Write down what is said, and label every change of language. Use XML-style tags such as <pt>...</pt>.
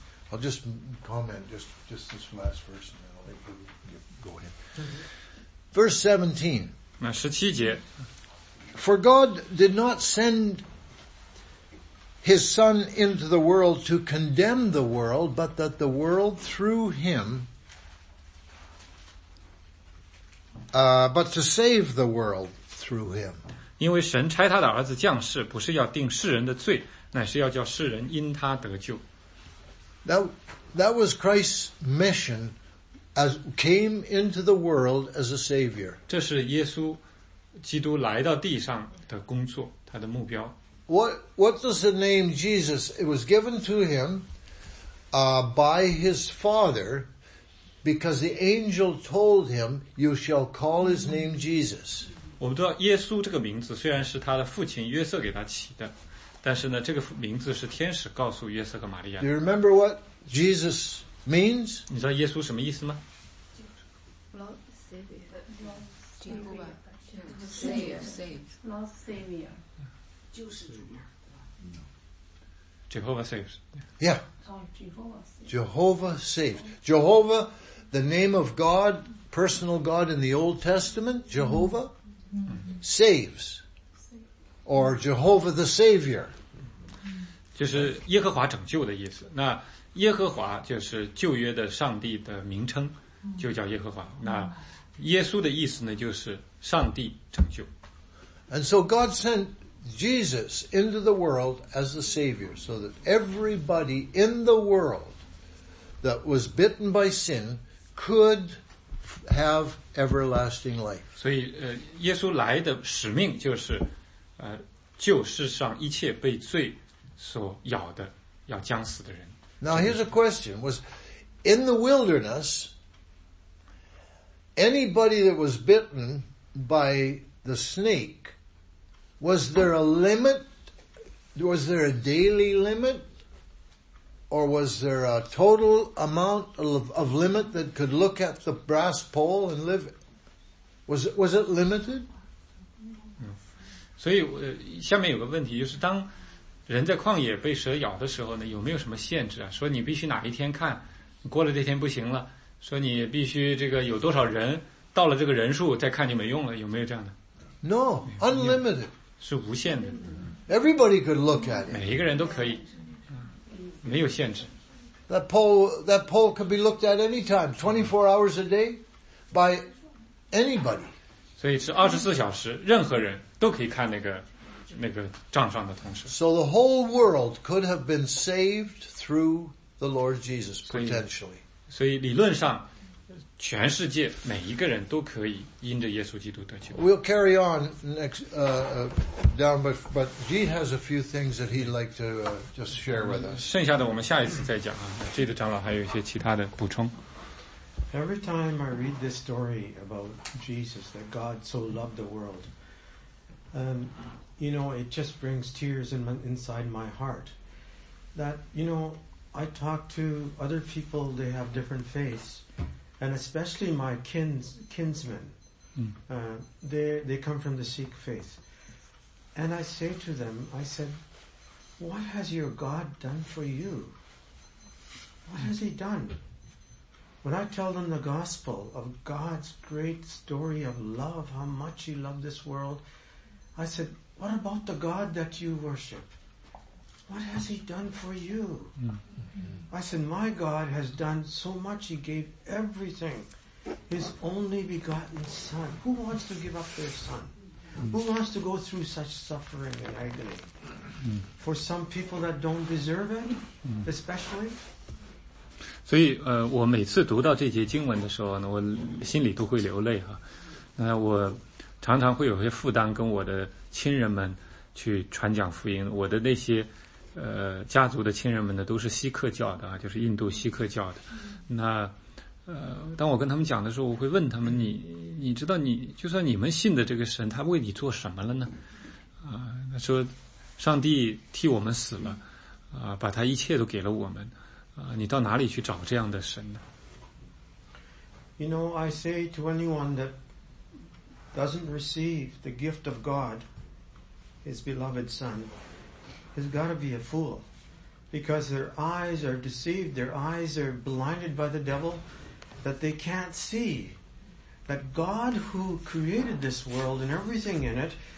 <en>I'll just comment just this last verse and I'll let you go ahead Verse 17</en> <zh>那17节</zh> <en>For God did not send his son into the world to condemn the world, but that the world through him, but to save the world through him.</en> <zh>因为神差他的儿子降世，不是要定世人的罪，乃是要叫世人因他得救。</zh> <en>That was Christ's mission as came into the world as a savior.</en> <zh>这是耶稣基督来到地上的工作，他的目标。</zh> <en>What was the name Jesus? It was given to him, by his father, because the angel told him, "You shall call his name Jesus."</en> <zh>我们知道耶稣这个名字虽然是他的父亲约瑟给他起的，但是呢，这个名字是天使告诉约瑟和玛利亚。</zh> <en>Do you remember what Jesus means?</en> <zh>你知道耶稣什么意思吗？基督吧，</zh> <en>save, Lord Savior. Jehovah saves. Yeah. Jehovah saves. Jehovah, the name of God, personal God in the Old Testament, Jehovah, saves. Or Jehovah the Savior.</en> <zh>就是耶和华拯救的意思。那耶和华就是旧约的上帝的名称，就叫耶和华。那耶稣的意思呢，就是上帝拯救。</zh> <en>And so God sentJesus into the world as the Savior, so that everybody in the world that was bitten by sin could have everlasting life.</en> <zh>所以，耶稣来的使命就是，救世上一切被罪所咬的、要将死的人。</zh> <en>Now here's a question: Was in the wilderness anybody that was bitten by the snake? Was there a limit? Was there a daily limit? Or was there a total amount of limit that could look at the brass pole and live? Was it limited?</en> <zh>所以下面有个问题，就是当人在旷野被蛇咬的时候呢，有没有什么限制啊？说你必须哪一天看，过了这天不行了，说你必须这个有多少人，到了这个人数再看就没用了，有没有这样的</zh> <en>？No, unlimited.</en> <zh>是无限的。</zh> <en>Everybody could look at it.</en> <zh>每一个人都可以，没有限制。</zh> <en>That pole could be looked at any time, 24 hours a day, by anybody.</en> <zh>所以是24小时，任何人都可以看那个账上的铜钱。</zh> <en>So the whole world could have been saved through the Lord Jesus potentially.</en> <zh>所以理论上，全世界每一个人都可以因着耶稣基督得救。</zh> <en>We'll carry on next, down, but G has a few things that he'd like to, just share with us.</en> <zh>剩下的我们下一次再讲啊。G 的长老还有一些其他的补充。</zh> <en>Every time I read this story about Jesus, that God so loved the world, you know, it just brings tears inside my heart. That, you know, I talk to other people, they have different faiths. And especially my kinsmen, they come from the Sikh faith. And I say to them, I said, what has your God done for you? What has he done? When I tell them the gospel of God's great story of love, how much he loved this world, I said, what about the God that you worship? What has he done for you? I said, my God has done so much. He gave everything. His only begotten son. Who wants to give up their son? Who wants to go through such suffering and agony? For some people that don't deserve it, especially.</en> <zh>所以我每次读到这节经文的时候呢，我心里都会流泪哈。那我常常会有些负担跟我的亲人们去传讲福音，我的那些家族的亲人们呢，都是锡克教的啊，就是印度锡克教的。那，当我跟他们讲的时候，我会问他们：你知道你就算你们信的这个神，他为你做什么了呢？他说，上帝替我们死了，把他一切都给了我们，你到哪里去找这样的神呢</zh> <en>？You know, I say to anyone that doesn't receive the gift of God, His beloved Son. Has got to be a fool because their eyes are deceived, their eyes are blinded by the devil, that they can't see that God who created this world and everything in it,</en>